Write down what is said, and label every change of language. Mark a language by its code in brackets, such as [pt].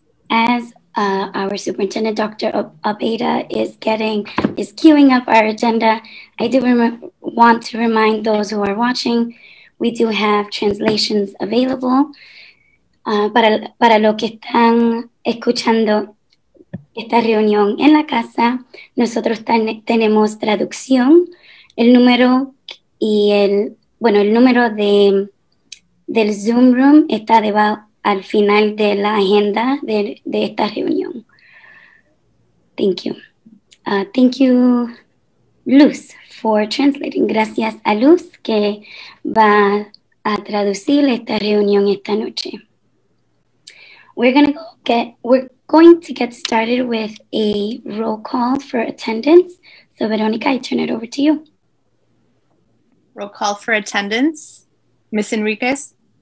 [en] As our superintendent, Dr. Abeda, is queuing up our agenda. I do want to remind those who are watching, we do have translations available. [es] Para los que están escuchando esta reunión en la casa, nosotros tenemos traducción, el número y el, bueno, el número del Zoom room está debajo. Al final de la agenda de esta reunión. [en] Thank you. [es] Thank you, Luz, for translating. Gracias a Luz que va a traducir esta reunión esta noche. [en] We're going to get started with a roll call for attendance. So Veronica, I turn it over to you. Roll call for attendance. Ms. Enriquez.